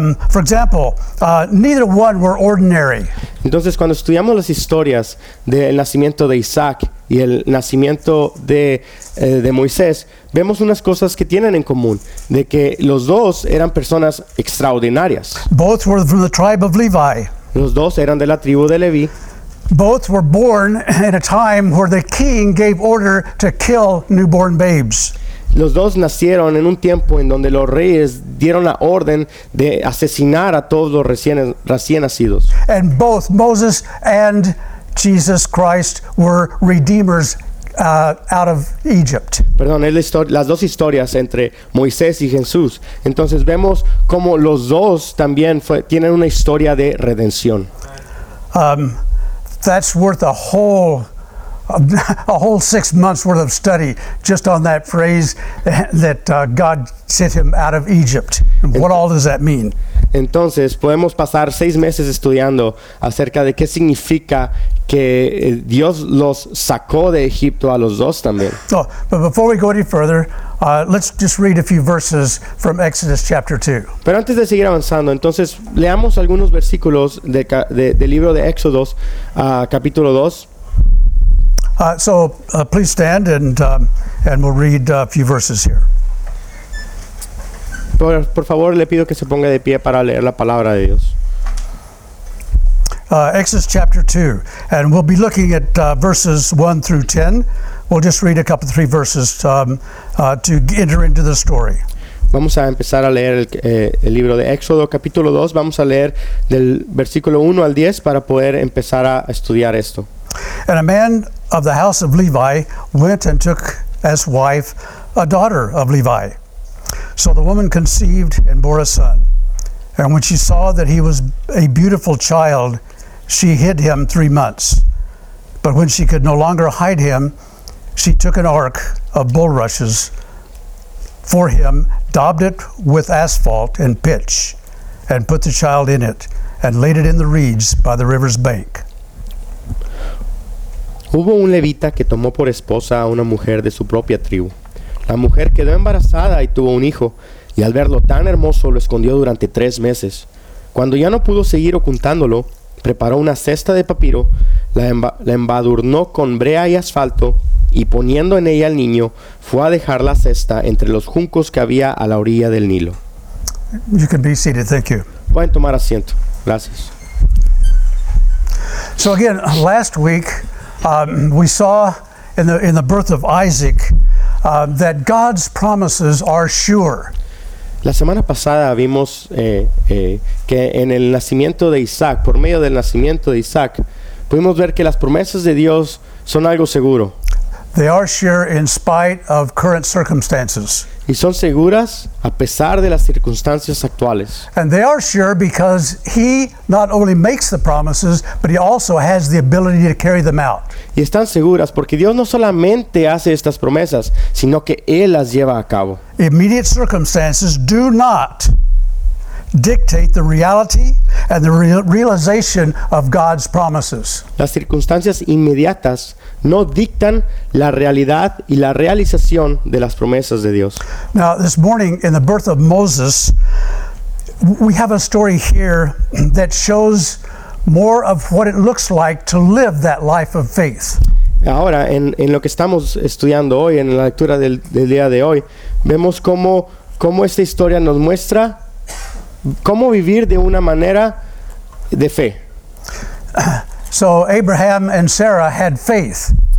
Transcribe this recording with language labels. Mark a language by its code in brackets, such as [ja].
[en] For example, neither one were ordinary. [es] Entonces, cuando estudiamos las historias del nacimiento de Isaac y el nacimiento de Moisés, vemos unas cosas que tienen en común, de que los dos eran personas extraordinarias. [en] Both were from the tribe of Levi. [es] Los dos eran de la tribu de Leví. [en] Both were born in a time where the king gave order to kill newborn babes. [es] Los dos nacieron en un tiempo en donde los reyes dieron la orden de asesinar a todos los recién nacidos. [en] And both Moses and Jesus Christ were redeemers out of Egypt. [es] Perdón, es las dos historias entre Moisés y Jesús. Entonces vemos cómo los dos también tienen una historia de redención. [en] That's worth a whole 6 months worth of study just on that phrase that God sent him out of Egypt. What all does that mean? [es] Entonces, podemos pasar 6 meses estudiando acerca de qué significa que Dios los sacó de Egipto a los dos también. [en] Oh, but before we go any further, let's just read a few verses from Exodus chapter 2. [es] Pero antes de seguir avanzando, entonces, leamos algunos versículos del libro de Éxodos, capítulo 2. [en] Please stand and we'll read a few verses here. [es] Por favor, le pido que se ponga de pie para leer la palabra de Dios. [en] Exodus chapter 2, and we'll be looking at verses 1 through 10. We'll just read a couple, 3 verses to enter into the story. [es] Vamos a empezar a leer el libro de Éxodo, capítulo 2. Vamos a leer del versículo 1 al 10 para poder empezar a estudiar esto. [en] And a man of the house of Levi went and took as wife a daughter of Levi. So the woman conceived and bore a son. And when she saw that he was a beautiful child, she hid him 3 months. But when she could no longer hide him, she took an ark of bulrushes for him, daubed it with asphalt and pitch, and put the child in it, and laid it in the reeds by the river's bank. [es] Hubo un levita que tomó por esposa a una mujer de su propia tribu. La mujer quedó embarazada y tuvo un hijo, y al verlo tan hermoso lo escondió durante 3 meses. Cuando ya no pudo seguir ocultándolo, preparó una cesta de papiro, la embadurnó con brea y asfalto, y poniendo en ella al niño, fue a dejar la cesta entre los juncos que había a la orilla del Nilo. [en] You can be seated, thank you. [es] Pueden tomar asiento. Gracias. [en] So again, last week, we saw in the birth of Isaac that God's promises are sure. [es] La semana pasada vimos que en el nacimiento de Isaac, por medio del nacimiento de Isaac, pudimos ver que las promesas de Dios son algo seguro. [en] They are sure in spite of current circumstances. [es] Y son seguras a pesar de las circunstancias actuales. [en] And they are sure because he not only makes the promises, but he also has the ability to carry them out. [es] Y están seguras porque Dios no solamente hace estas promesas, sino que él las lleva a cabo. [en] Immediate circumstances do not dictate the reality and the realization of God's promises. [es] Las circunstancias inmediatas no dictan la realidad y la realización de las promesas de Dios. [en] Now, this morning, in the birth of Moses, we have a story here that shows more of what it looks like to live that life of faith. [es] Ahora, en lo que estamos estudiando hoy, en la lectura del día de hoy, vemos cómo esta historia nos muestra cómo vivir de una manera de fe. [en] So Abraham and Sarah had faith.